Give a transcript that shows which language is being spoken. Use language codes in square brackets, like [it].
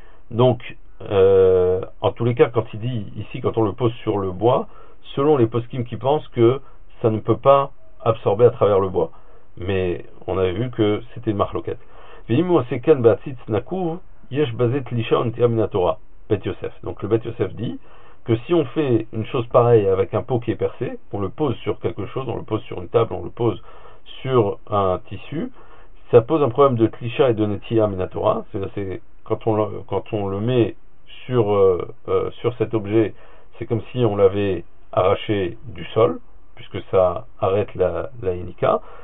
[fr] Donc, en tous les cas, quand il dit ici, quand on le pose sur le bois, selon les poskim qui pensent que ça ne peut pas absorber à travers le bois. Mais on avait vu que c'était une marloquette. Vimu aseken batzitz nakuv [he] יש בזה תלישה ונטייה מן התורה, בית יוסף. [fr] Donc le bet Yosef dit que si on fait une chose pareille avec un pot qui est percé, on le pose sur quelque chose, on le pose sur une table, on le pose sur un tissu, ça pose un problème de tlisha et de netiya min haTorah. C'est quand on le met sur cet objet, c'est comme si on l'avait arraché du sol, puisque ça arrête la yenika.